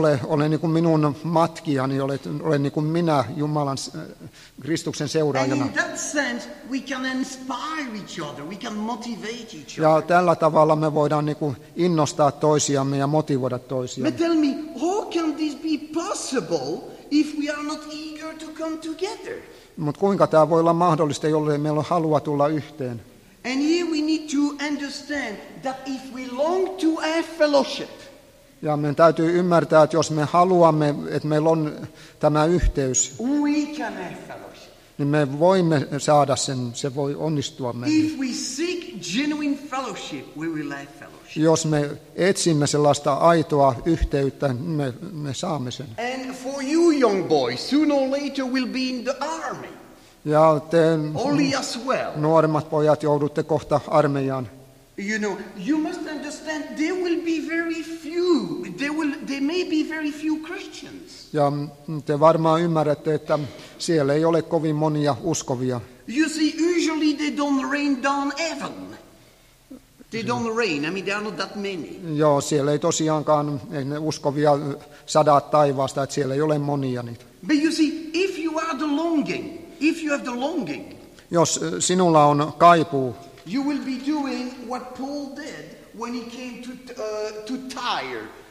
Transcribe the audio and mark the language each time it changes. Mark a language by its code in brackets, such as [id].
[fi] Ole niin kuin minun matkijani, ole niin kuin minä Jumalan Kristuksen seuraajana. [en] And in that sense, we can inspire each other, we can motivate each other. [fi] Ja tällä tavalla me voidaan niin kuin innostaa toisiamme ja motivoida toisiamme. [en] But tell me, how can this be possible if we are not eager to come together? [fi] Mut kuinka tämä voi olla mahdollista, jollei meillä on halua tulla yhteen? [en] And here we need to understand that if we long to have fellowship. [fi] Ja meidän täytyy ymmärtää, että jos me haluamme, että meillä on tämä yhteys. [en] We can have fellowship. [fi] Niin me voimme saada sen, se voi onnistua meille. [en] If we seek genuine fellowship, we will have fellowship. [fi] Jos me etsimme sellaista aitoa yhteyttä, me saamme sen. [en] And for you young boys, sooner or later we'll be in the army. [fi] Ja te [en] well. [fi] Nuoremmat pojat joudutte kohta armeijaan. [en] You know, you must understand there will be very few. There may be very few Christians. [fi] Ja te varmaan ymmärrätte, että siellä ei ole kovin monia uskovia. [en] You see, usually they don't rain down heaven. They don't rain. I mean, there are not that many. [fi] Joo, siellä ei tosiaankaan ne uskovia sadaa taivaasta, että siellä ei ole monia niitä. [en] But you see, if you are the longing. If you have the longing, [fi] jos sinulla on kaipuu, [en] you will be doing what Paul did when he came to Tyre.